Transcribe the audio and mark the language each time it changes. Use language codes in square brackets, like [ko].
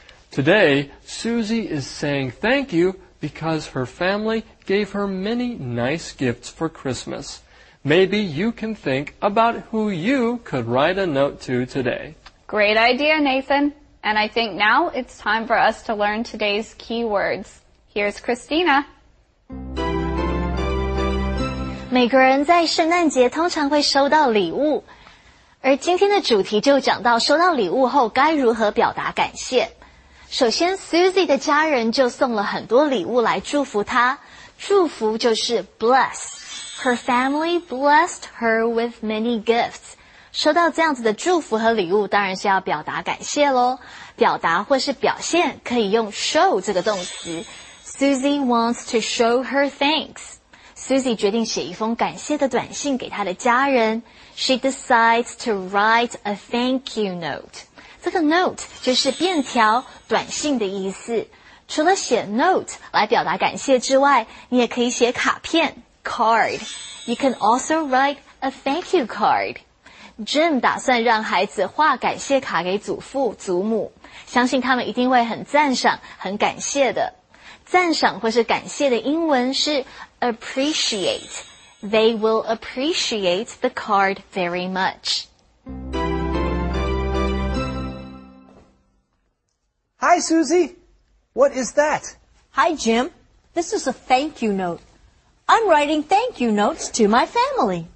[en] Today, Susie is saying thank you because her family gave her many nice gifts for Christmas. Maybe you can think about who you could write a note to today. Great idea, Nathan. And I think now it's time for us to learn today's keywords. Here's Christina. [zh] 每个人在圣诞节通常会收到礼物，而今天的主题就讲到收到礼物后该如何表达感谢。首先 ，Susie 的家人就送了很多礼物来祝福她，祝福就是 bless。 [en] Her family blessed her with many gifts。 [zh] 收到这样子的祝福和礼物，当然是要表达感谢咯。表达或是表现可以用 show 这个动词。 [en] Susie wants to show her thanks。 [zh] Susie 决定写一封感谢的短信给她的家人。 [en] She decides to write a thank you note. [zh] 这个 note 就是便条、短信的意思。除了写 note 来表达感谢之外，你也可以写卡片 ,card. [en] You can also write a thank you card. [zh] Jim 打算让孩子画感谢卡给祖父、祖母，相信他们一定会很赞赏、很感谢的。赞赏或是感谢的英文是 appreciate. [en] They will appreciate the card very much. Hi, Susie. What is that? Hi, Jim. This is a thank you note. I'm writing thank you notes to my family.